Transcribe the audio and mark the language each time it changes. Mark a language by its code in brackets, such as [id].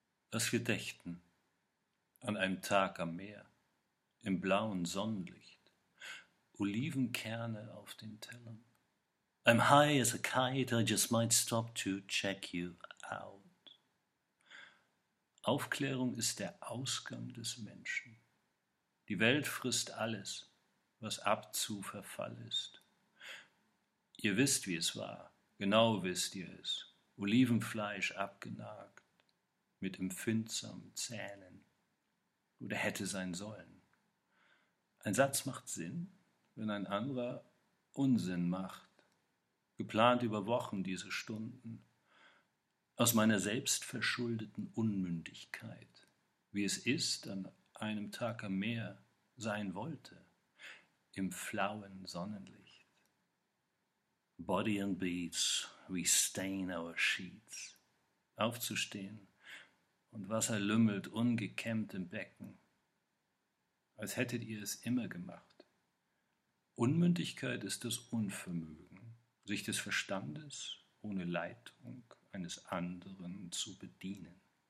[de] Das Gedächten an einem Tag am Meer, im blauen Sonnenlicht, Olivenkerne auf den Tellern. [en] I'm high as a kite, I just might stop to check you out. [de] Aufklärung ist der Ausgang des Menschen. Die Welt frisst alles, was ab zu Verfall ist. Ihr wisst, wie es war, genau wisst ihr es, Olivenfleisch abgenagt. Mit empfindsamen Zähnen oder hätte sein sollen. Ein Satz macht Sinn, wenn ein anderer Unsinn macht. Geplant über Wochen diese Stunden, aus meiner selbstverschuldeten Unmündigkeit, wie es ist, an einem Tag am Meer sein wollte, im flauen Sonnenlicht. [en] Body and beats, we stain our sheets. [de] Aufzustehen. Und Wasser lümmelt ungekämmt im Becken, als hättet ihr es immer gemacht. Unmündigkeit ist das Unvermögen, sich des Verstandes ohne Leitung eines anderen zu bedienen.